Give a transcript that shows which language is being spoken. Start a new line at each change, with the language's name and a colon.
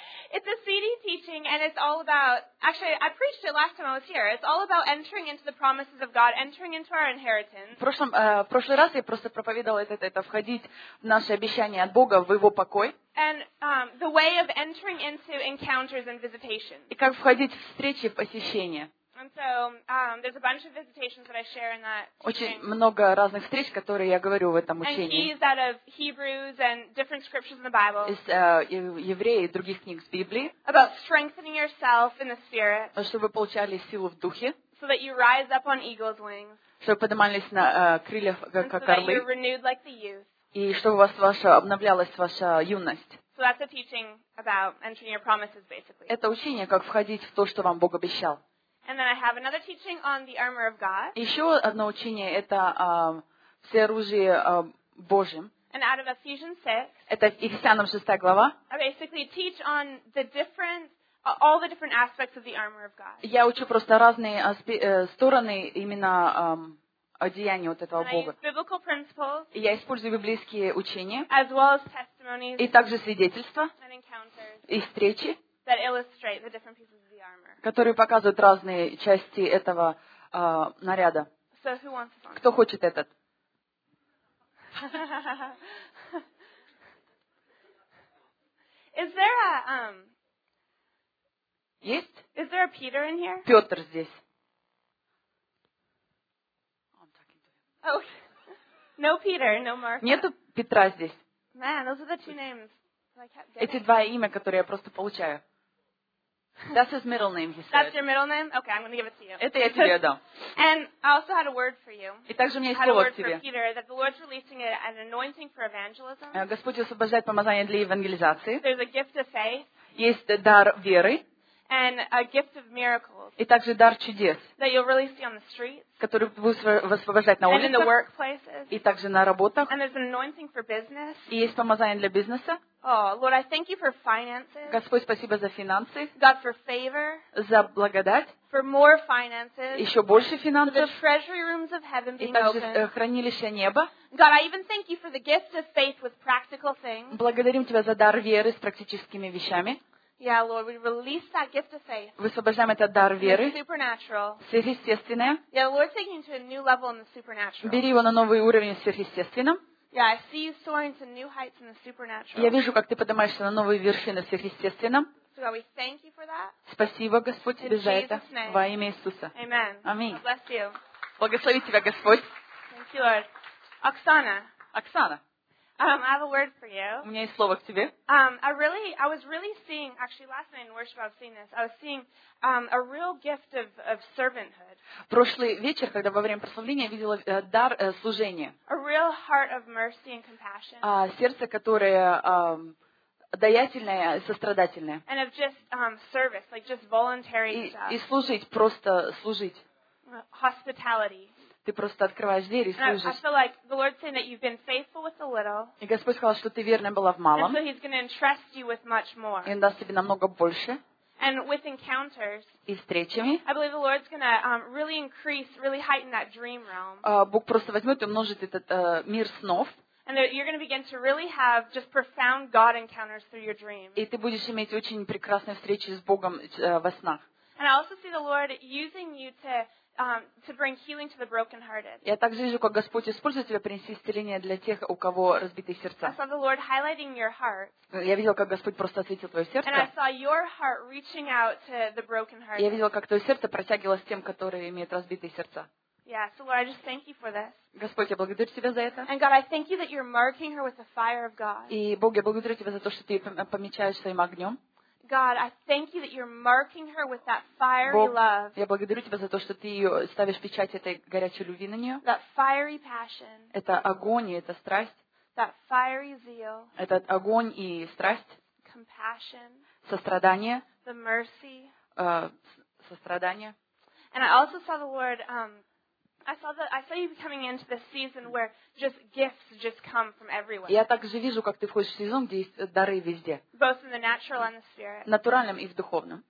English: It's a CD teaching, and it's all about... Actually, I preached it last time I was here. It's all about entering into the promises of God, entering into our inheritance.
Russian: В прошлый раз я просто проповедовала это входить в наши обещания от Бога, в Его покой.
English: And the way of entering into encounters and visitations.
Russian: И как входить в встречи, в посещения.
English: And so there's a bunch of visitations that I share in that teaching.
Russian: Очень много разных встреч, которые я говорю в этом учении.
English: And he is out of Hebrews and different scriptures in the Bible.
Russian: Из евреи и других книг с Библии.
English: About strengthening yourself in the spirit.
Russian: Чтобы получали силу в духе.
English: So that you rise up on eagle's wings.
Russian: Чтобы поднимались на крыльях как орлы.
English: And so that you're renewed like the youth.
Russian: И чтобы у вас обновлялась ваша юность.
English: So that's a teaching about entering your promises, basically.
Russian: Это учение, как входить в то, что вам Бог обещал.
English: And then I have another teaching on the armor of God.
Russian: Еще одно учение – это все оружие Божьим.
English: And out of Ephesians 6.
Russian: Это Ефесянам 6 глава.
English: I basically teach on the different, all the different aspects of the armor of God.
Russian: Я учу просто разные стороны именно одеяния вот этого Бога.
English: And I use biblical principles.
Russian: И я использую библейские учения.
English: As well as testimonies.
Russian: И также свидетельства.
English: And encounters.
Russian: И встречи.
English: That illustrate the different pieces.
Russian: Которые показывают разные части этого наряда.
English: So who wants this one?
Russian: Кто хочет этот?
English: Is there a,
Russian: есть?
English: Is there a Peter in here?
Russian: Петр здесь.
English: Oh, I'm talking to him. Oh. No Peter, no Mark.
Russian: Нету Петра здесь.
English: Man, those are the two names.
Russian: Эти два имя, которые я просто получаю.
English: That's his middle name, he said. That's your middle name? Okay, I'm going to give it to you.
Russian: Это я тебе дам.
English: And I also had a word for you.
Russian: И также у меня есть слово к тебе.
English: Had a word for Peter, that the Lord's releasing an anointing for evangelism.
Russian: Господь освобождает помазание для евангелизации.
English: There's a gift of faith.
Russian: Есть дар веры.
English: and a gift of miracles.
Russian: И также дар чудес.
English: That you'll really see on the streets.
Russian: Который будет высвобождать на улицах.
English: And in the workplaces.
Russian: И также на работах.
English: And there's an anointing for business.
Russian: И есть помазание для бизнеса.
English: Oh, Lord, I thank you for finances.
Russian: Господь, спасибо за финансы.
English: God, for favor.
Russian: За благодать.
English: For more finances.
Russian: Еще больше финансов.
English: For the treasury rooms of heaven being opened.
Russian: И также хранилища неба.
English: God, I even thank you for the gift of faith with practical things.
Russian: Благодарим тебя за дар веры с практическими вещами.
English: Yeah, Lord, we release that gift of faith.
Russian: Высвобождаем этот дар веры.
English: It's supernatural.
Russian: Сверхъестественное.
English: Yeah, the Lord's taking you to a new level in the supernatural.
Russian: Бери его на новый уровень в сверхъестественном.
English: Yeah, I see you soaring to new heights in the supernatural.
Russian: Я вижу, как ты поднимаешься на новые вершины в сверхъестественном.
English: So God, we thank you for that.
Russian: Спасибо, Господь, тебе за это. Во имя Иисуса.
English: Amen.
Russian: Аминь.
English: God bless you.
Russian: Благослови тебя, Господь.
English: Thank you, Lord. Оксана.
Russian: Оксана.
English: I have a word for you.
Russian: У меня есть слово к тебе.
English: I was really seeing, actually last night in worship I was seeing this. I was seeing a real gift of servanthood.
Russian: Прошлый вечер, когда во время прославления я видела дар служения.
English: A real heart of mercy and compassion.
Russian: Сердце, которое даятельное, сострадательное.
English: And of just service, like just voluntary stuff.
Russian: И служить, просто служить.
English: Hospitality.
Russian: Ты просто открываешь дверь и служишь.
English: I feel like the Lord's saying that you've been faithful with a little.
Russian: И Господь сказал, что ты верна была в малом.
English: And so He's going to entrust you with much more.
Russian: И Он даст тебе намного больше.
English: And with encounters.
Russian: И встречами.
English: I believe the Lord's going to really increase, really heighten that dream realm.
Russian: Бог просто возьмет и умножит этот мир снов.
English: And you're going to begin to really have just profound God encounters through your dreams.
Russian: И ты будешь иметь очень прекрасные встречи с Богом во снах.
English: And I also see the Lord using you to to bring healing to the brokenhearted.
Russian: Я также вижу, как Господь использует тебя принести исцеление для тех, у кого разбитые сердца.
English: I saw the Lord highlighting your heart.
Russian: Я видел, как Господь просто осветил твое сердце.
English: And I saw your heart reaching out to the brokenhearted.
Russian: Я видел, как твое сердце протягивалось тем, которые имеют разбитые сердца.
English: Yeah, so Lord, I just thank you for this.
Russian: Господь, я благодарю тебя за это.
English: And God, I thank you that you're marking her with the fire of God.
Russian: И Бог, я благодарю тебя за то, что ты помечаешь своим огнем.
English: God, I thank you that you're marking her with that fiery love.
Russian: Я благодарю тебя за то, что ты ставишь печать этой горячей любви на нее.
English: That fiery passion.
Russian: Это огонь и это страсть.
English: That fiery zeal.
Russian: Этот огонь и страсть.
English: Compassion.
Russian: Сострадание.
English: The mercy.
Russian: Сострадание.
English: And I also saw the Lord. I saw you coming into this season where just gifts just come from everywhere.
Russian: Я также вижу, как ты входишь в сезон, где есть дары везде.
English: Both in the natural and the spirit.
Russian: Натуральном и в духовном.